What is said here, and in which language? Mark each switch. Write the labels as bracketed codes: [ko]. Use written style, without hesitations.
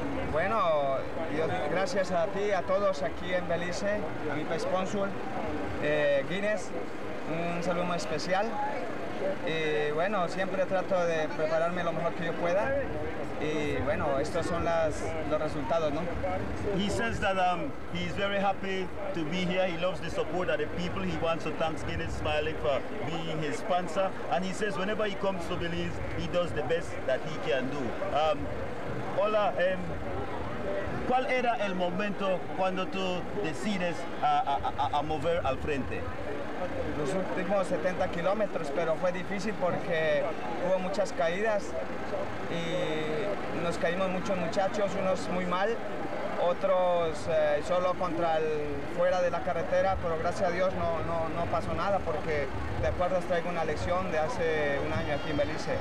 [es] Bueno, Dios, gracias a ti, a todos aquí en Belice, a mi sponsor, Guinness, un saludo muy especial. Y bueno, siempre trato de prepararme lo mejor que yo pueda. Y bueno, estos son los resultados, ¿no? [en] He says that he's very happy to be here. He loves the support of the people. He wants to thank Guinness Smiling for being his sponsor. And he says whenever he comes to Belize, he does the best that he can do. [es] Hola, ¿cuál era el momento cuando tú decides a mover al frente? Los últimos 70 kilómetros, pero fue difícil porque hubo muchas caídas y nos caímos muchos muchachos, unos muy mal, otros solo contra el fuera de la carretera, pero gracias a Dios no pasó nada porque después les traigo una lesión de hace un año aquí en Belice.